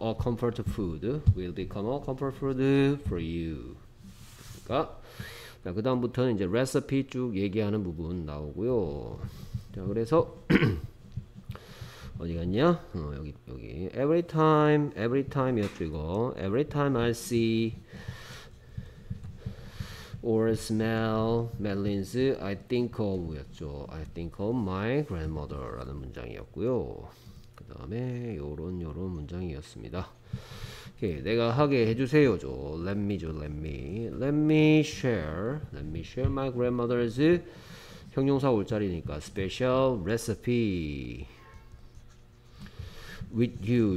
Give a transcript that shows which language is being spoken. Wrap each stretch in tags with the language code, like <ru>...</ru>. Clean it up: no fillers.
<en>A comfort food will become a comfort food for you.</en> <ko>그러니까 자, 그 다음부터는 이제 레시피 쭉 얘기하는 부분 나오고요. 자, 그래서 어디 갔냐? 여기</ko> <en>every time</en> <ko>이었죠 이거.</ko> <en>Every time I see or smell madeleines, I think of였죠. I think of my grandmother</en> <ko>라는 문장이었고요. 그 다음에 요런 문장이었습니다. 내가 하게 해주세요죠.</ko> <en>Let me share my grandmother's</en> <ko>형용사 올자리니까</ko> <en>special recipe with you.</en>